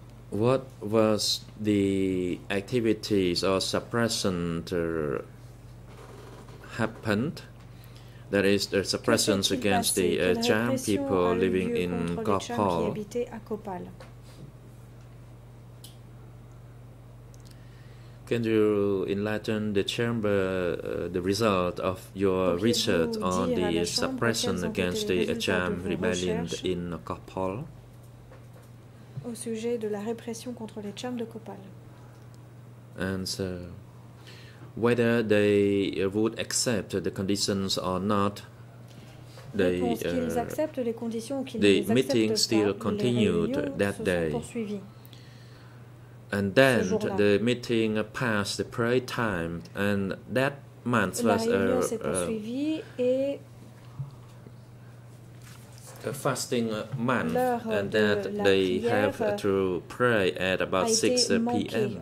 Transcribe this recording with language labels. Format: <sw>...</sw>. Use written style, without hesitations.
<en>What was the activities or suppressant happened, that is the suppression against the Cham people living in Kopal. Can you enlighten the chamber the result of your research on the suppression against the Cham rebellion in Kopal?</en> <fr>Au sujet de la répression contre les Cham de Kopal.</fr> <en>Answer. Whether they would accept the conditions or not, they, the meeting still continued that day. And then the meeting passed the prayer time, and that month was a fasting month, and that they have to pray at about 6 p.m.</en>